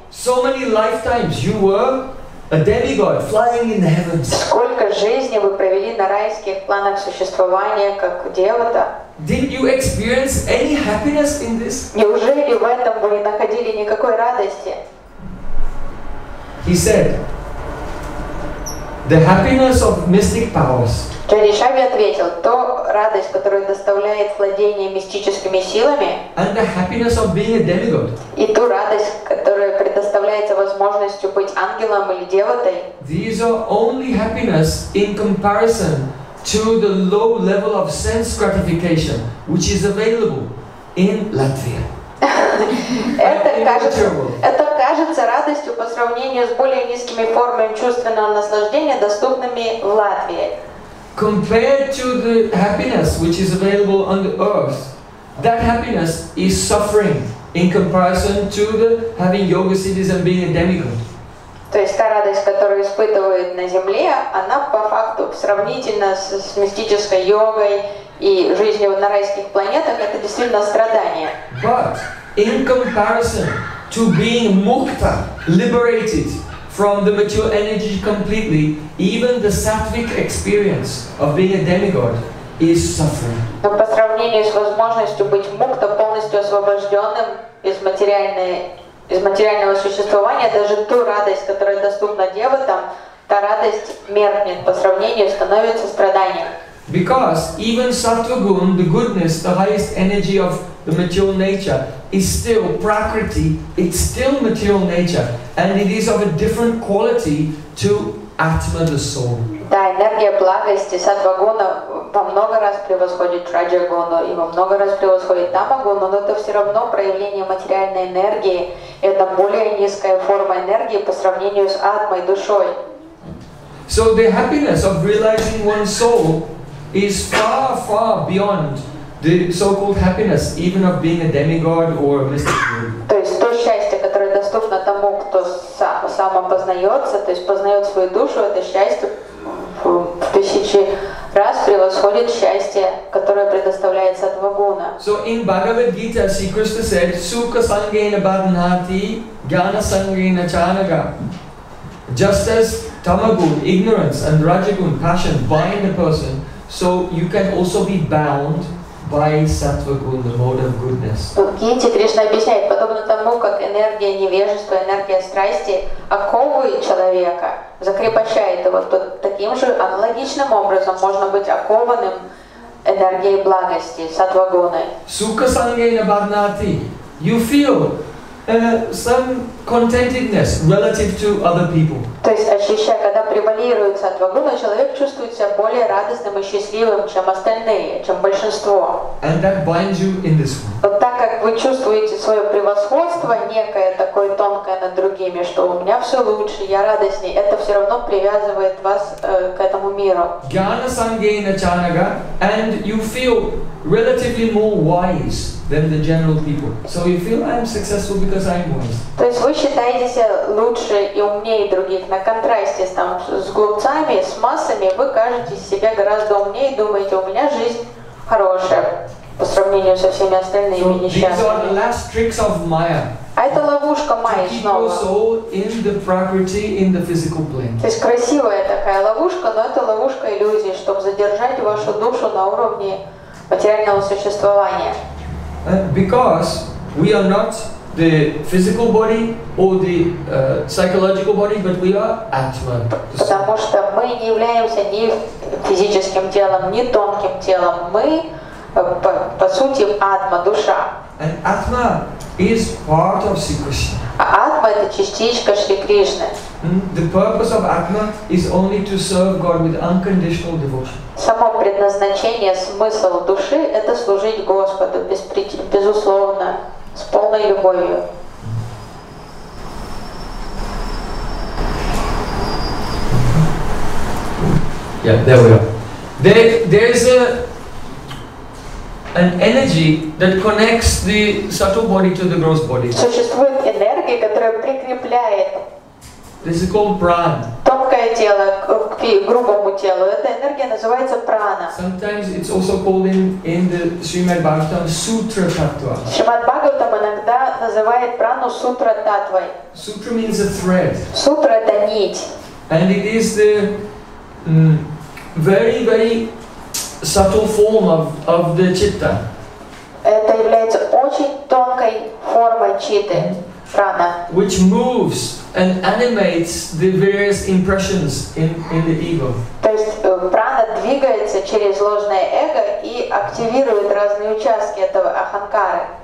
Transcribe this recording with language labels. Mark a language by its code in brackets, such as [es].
[en] So many lifetimes you were a demigod flying in the heavens. [ru] Сколько жизней вы провели на райских планах существования как девата? [en] Didn't you experience any happiness in this? [ru] Неужели в этом вы не находили никакой радости? [en] He said, the happiness of mystic powers. [ru] Чаришави ответил, то радость, которую доставляет владение мистическими силами, [en] and the happiness of being a demigod. [ru] И ту радость, которая предоставляется возможностью быть ангелом или девотой. [en] These are only happiness in comparison to the low level of sense gratification, which is available in Latvia. [ru] Это кажется радостью по сравнению с более низкими формами чувственного наслаждения, доступными в Латвии. [en] Compared to the happiness which is available on the earth, that happiness is suffering in comparison to the having yoga siddhis and being a demigod. [ru] То есть та радость, которую испытывают на Земле, она по факту сравнительно с мистической йогой и жизнью на райских планетах, это действительно страдание. [en] But in comparison to being mukta, liberated from the material energy completely, even the sattvic experience of being a demigod is suffering. [ru] Но по сравнению с возможностью быть мукта, полностью освобожденным из материальной из материального существования, даже ту радость, которая доступна девотам, та радость меркнет по сравнению, становится страданием. [en] Because even sattva-gun, the goodness, the highest energy of the material nature, is still prakriti, it's still material nature, and it is of a different quality to atma, the soul. [ru] Да, энергия благости сатва-гуна во много раз превосходит раджа-гуну и во много раз превосходит тама-гуну, но это все равно проявление материальной энергии. Это более низкая форма энергии по сравнению с атмой, душой. [en] So the happiness of realizing one's soul is far, far beyond the so-called happiness even of being a demigod or a mystic guru. [ru] То есть то счастье, которое доступно тому, кто сам опознается, то есть познает свою душу, это счастье в тысячи раз превосходит счастье, которое предоставляется от вагуна. [en] So in Bhagavad Gita, Sri Krishna said, [sa] Sukha Sangena Badnati, Jnana Sangena Chanaga. [en] Just as tamagun, ignorance, and rajagun, passion, bind a person, so you can also be bound by sattva-gun, the mode of goodness. [ru] В Гите Кришна объясняет, подобно тому, как энергия невежества, энергия страсти оковывает человека, закрепощает его, то таким же аналогичным образом можно быть окованным энергией благости, сатва-гуны. [sa] Sukha-sangena badnati. [en] You feel some contentedness relative to other people. [ru] То есть ощущая, когда превалирует сатва-гуна, человек чувствует себя более радостным и счастливым, чем остальные, чем большинство. [en] And that binds you in this one. [ru] Вот так как вы чувствуете свое превосходство некое такое тонкое над другими, что у меня все лучше, я радостнее, это все равно привязывает вас к этому миру. [sa] Jnana sangena chanaga, [en] and you feel relatively more wise than the general people. So you feel I'm successful because I'm wise. [ru] То есть вы считаете себя лучше и умнее других. На контрасте там, с глупцами, с массами, вы кажетесь себе гораздо умнее и думаете, у меня жизнь хорошая по сравнению со всеми остальными несчастными. [en] These are the last tricks of Maya. [ru] А это ловушка Майи снова. [en] To keep your soul in the prakriti, in the physical plane. [ru] То есть красивая такая ловушка, но это ловушка иллюзии, чтобы задержать вашу душу на уровне материального существования. [en] Because we are not the physical body or the psychological body, but we are Atman. [ru] Потому что мы не являемся ни физическим телом, ни тонким телом. Мы по сути Атма, душа. [en] And Atma is part of Sri Krishna. [ru] Атма это частичка Шри Кришны. [en] The purpose of Atma is only to serve God with unconditional devotion. [ru] Само предназначение, смысл души — это служить Господу безусловно, с полной любовью. [en] Yeah, there we are. There's an energy that connects the subtle body to the gross body. [ru] Существует энергия, которая прикрепляет. [en] This is called prana. [ru] Тонкое тело к грубому телу. Эта энергия называется прана. [en] Sometimes it's also called in the Srimad Bhagavatam sutra tattva. [ru] Srimad Bhagavatam иногда называет прану сутра таттвой. [en] Sutra means a thread. [ru] Сутра — это нить. [en] And it is the very, very subtle form of the citta. [ru] Это является очень тонкой формой читы, прана. [en] Which moves and animates the various impressions in the ego. [ru] То есть прана двигается через ложное эго и активирует разные участки этого аханкары.